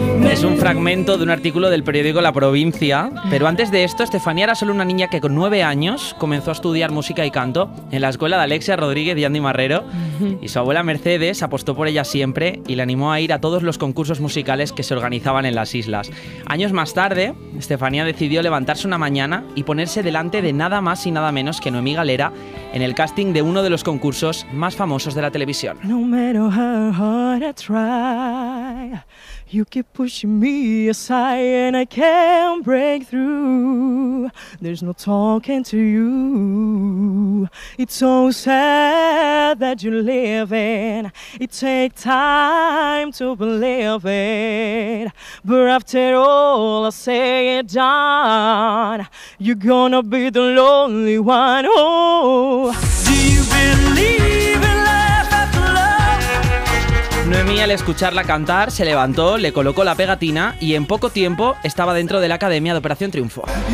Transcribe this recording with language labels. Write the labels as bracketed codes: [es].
[es] Es un fragmento de un artículo del periódico La Provincia, pero antes de esto, Estefanía era solo una niña que con 9 años comenzó a estudiar música y canto en la escuela de Alexia Rodríguez y Andy Marrero, y su abuela Mercedes apostó por ella siempre y la animó a ir a todos los concursos musicales que se organizaban en las islas. Años más tarde, Estefanía decidió levantarse una mañana y ponerse delante de nada más y nada menos que Noemí Galera en el casting de uno de los concursos más famosos de la televisión. [en] No matter how hard I try, you keep pushing me aside and I can't break through. There's no talking to you. It's so sad that you're leaving. It takes time to believe it. But after all I say and done, you're gonna be the lonely one. Oh, do you believe in life after love? [es] Noemí, al escucharla cantar, se levantó, le colocó la pegatina y en poco tiempo estaba dentro de la Academia de Operación Triunfo.